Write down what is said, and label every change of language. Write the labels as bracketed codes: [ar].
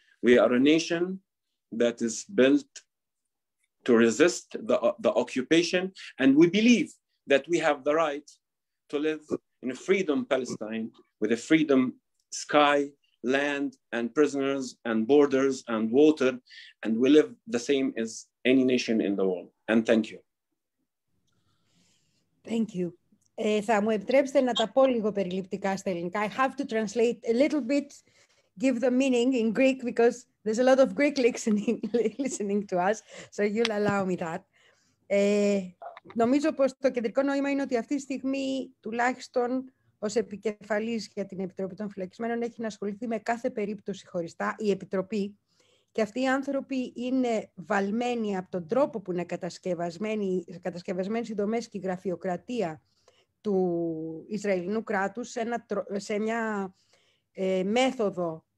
[en] We are a nation that is built to resist the occupation, and we believe that we have the right to live in a freedom Palestine, with a freedom sky, land, and prisoners, and borders, and water, and we live the same as any nation in the world. And thank you. Thank you. [el] Θα μου επιτρέψετε να τα πω λίγο περιληπτικά στα ελληνικά. [en] I have to translate a little bit, give the meaning in Greek, because there's a lot of Greek listening to us, so you'll allow me that. [el] Νομίζω πως το κεντρικό νόημα είναι ότι αυτή τη στιγμή, τουλάχιστον ως επικεφαλής για την Επιτροπή των Φυλακισμένων, έχει να ασχοληθεί με κάθε περίπτωση χωριστά η Επιτροπή. Και αυτοί οι άνθρωποι είναι βαλμένοι από τον τρόπο που είναι κατασκευασμένοι οι δομές και η γραφειοκρατία του Ισραηλινού κράτους σε μια μέθοδο.